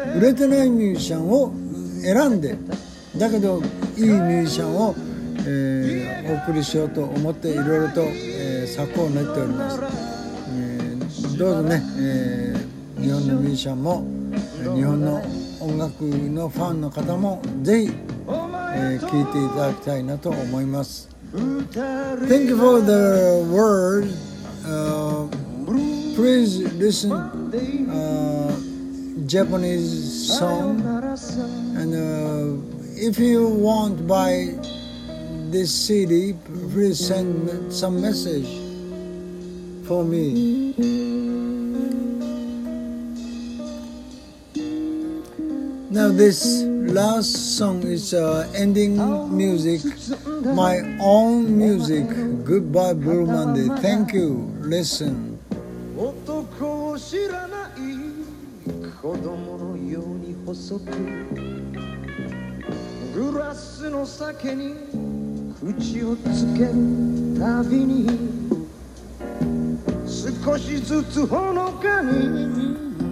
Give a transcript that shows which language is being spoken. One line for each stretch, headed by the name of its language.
Japanese: 売れてないミュージシャンを選んで、だけどいいミュージシャンを、お送りしようと思っていろいろと、策を練っております。どうぞね、日本のミュージシャンも日本の音楽のファンの方もぜひ、聴いていただきたいなと思います。
English: Thank you for the word、Please listen、Japanese song and、if you want buy this CD please send some message for meNow this last song is ending music, my own music. Goodbye Blue Monday. Thank you. Listen.
Japanese: 男を知らない子供のように細くグラスの酒に口をつけるたびに少しずつほのかに